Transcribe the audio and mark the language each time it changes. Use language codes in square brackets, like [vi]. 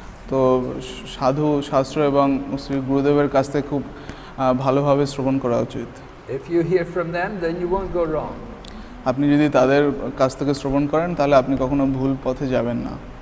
[bn] তো সাধু শাস্ত্র এবং শ্রী গুরুদেবের কাছ থেকে খুব ভালোভাবে শ্রবণ করা উচিত। [en] If you hear from them, then you won't go wrong. [bn] আপনি যদি তাদের কাছ থেকে শ্রবণ করেন, তাহলে আপনি কখনো ভুল পথে যাবেন না।